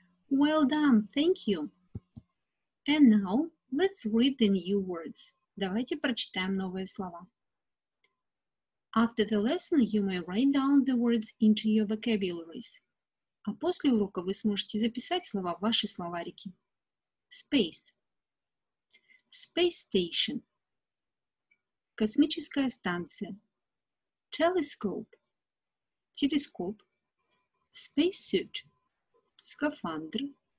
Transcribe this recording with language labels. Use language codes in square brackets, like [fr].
[en] Well done, thank you. And now, let's read the new words. [ru] Давайте прочитаем новые слова. [en] After the lesson, you may write down the words into your vocabularies. [ru] А после урока вы сможете записать слова в ваши словарики. [en] Space. Space station. [ru] Космическая станция. [en] Telescope. [ru] Телескоп. [en] Space suit. [ru] Скафандр.